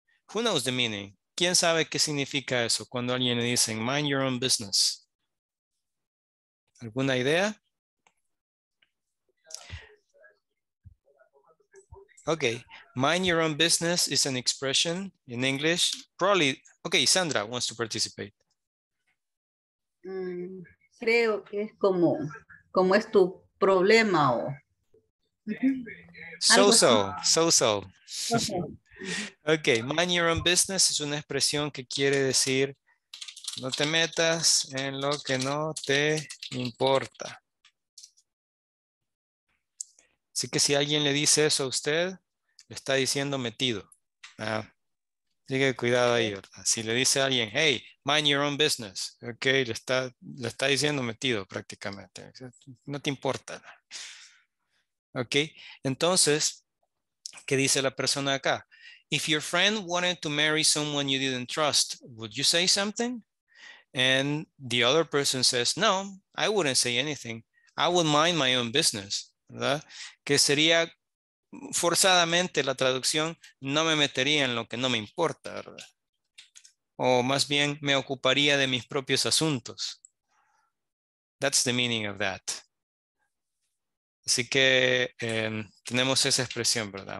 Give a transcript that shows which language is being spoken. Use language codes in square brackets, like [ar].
[en] Who knows the meaning? [es] ¿Quién sabe qué significa eso cuando alguien le dice, [en] mind your own business? [es] ¿Alguna idea? [en] Okay, mind your own business is an expression in English. Probably, okay, Sandra wants to participate. [es] Creo que es como es tu problema o... So-so. Okay, mind your own business es una expresión que quiere decir no te metas en lo que no te importa. Así que si alguien le dice eso a usted, le está diciendo metido. Sigue cuidado ahí, ¿verdad? Si le dice a alguien, [en] hey, mind your own business, [es] okay, le está diciendo metido prácticamente. No te importa. Okay, entonces, ¿qué dice la persona acá? [en] If your friend wanted to marry someone you didn't trust, would you say something? And the other person says, no, I wouldn't say anything. I would mind my own business. ¿Verdad? [es] Que sería forzadamente la traducción, no me metería en lo que no me importa. ¿Verdad? O más bien, me ocuparía de mis propios asuntos. [en] That's the meaning of that. [es] Así que tenemos esa expresión, ¿verdad?